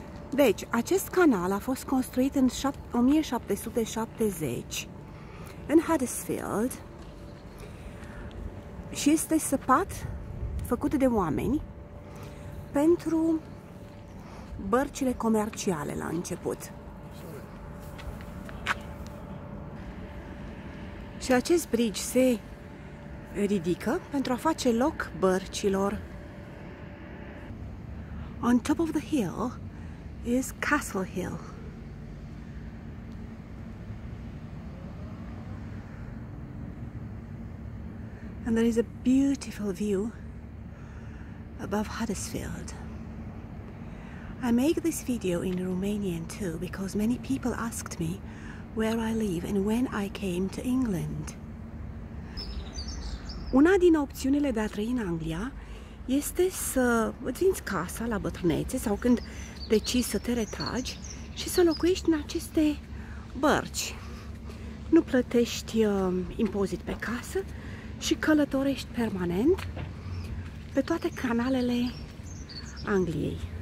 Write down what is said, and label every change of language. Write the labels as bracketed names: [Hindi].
[Romanian] Deci, acest canal a fost construit în 1770 în Huddersfield și este săpat, făcut de oameni, pentru bărcile comerciale la început. [English] Sorry. [Romanian] Și acest bridge se ridică pentru a face loc bărcilor. [English] On top of the hill is Castle Hill. And there is a beautiful view above Huddersfield. I make this video in Romanian too because many people asked me where I live and when I came to England. [Romanian] Una din opțiunile de a trăi în Anglia este să îți vinzi casa la bătrânețe sau când decizi să te retragi și să locuiești în aceste bărci. Nu plătești impozit pe casă și călătorești permanent pe toate canalele Angliei.